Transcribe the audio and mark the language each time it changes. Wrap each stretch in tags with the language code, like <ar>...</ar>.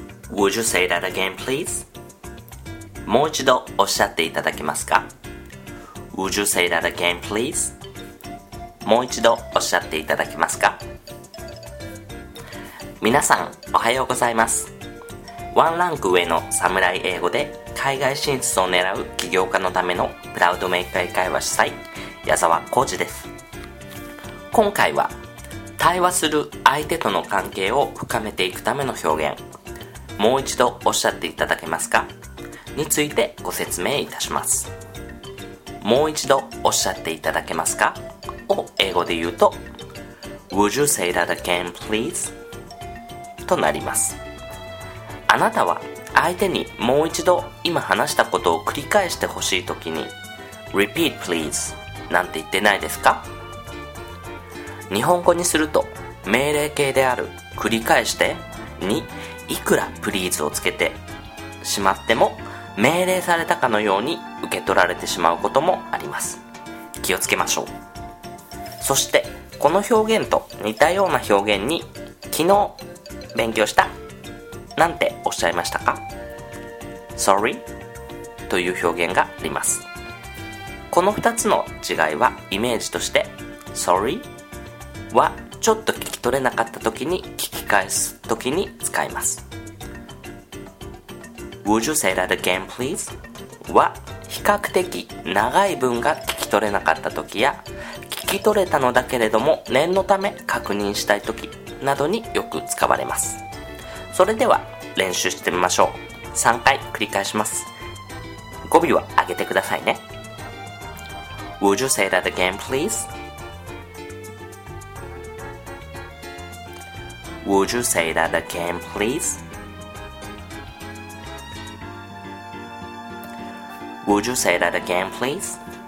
<en>Would you say that again, please?</en> <ja>もう一度おっしゃっていただけますか?</ja> <en>Would you say that again, please?</en> <ja>もう一度おっしゃっていただけますか? 皆さん、おはようございます。ワンランク上の侍英語で海外進出を狙う起業家のためのプラウドメーカー会話主催、矢沢浩二です。今回は、対話する相手との関係を深めていくための表現、もう一度おっしゃっていただけますか? についてご説明いたします。もう一度おっしゃっていただけますか? を英語で言うと、</ja> <en>Would you say that again, please?</en> <ja>となります。あなたは相手にもう一度今話したことを繰り返してほしいときに、</ja> <en>Repeat, please!</en> <ja>なんて言ってないですか?日本語にすると、命令形である繰り返してに、いくらプリーズをつけてしまっても命令されたかのように受け取られてしまうこともあります。気をつけましょう。そしてこの表現と似たような表現に昨日勉強したなんておっしゃいましたか。</ja> <en>Sorry</en> <ja>という表現があります。この2つの違いはイメージとして、 Sorry はちょっと聞き取れなかった時に聞き返す時に使います。</ja> <en>Would you say that again please?</en> <ja>は比較的長い文が聞き取れなかった時や、聞き取れたのだけれども念のため確認したい時などによく使われます。それでは練習してみましょう。3回繰り返します。語尾は上げてくださいね。</ja> <en>Would you say that again pleaseWould you say that again, please? Would you say that again, please?</en>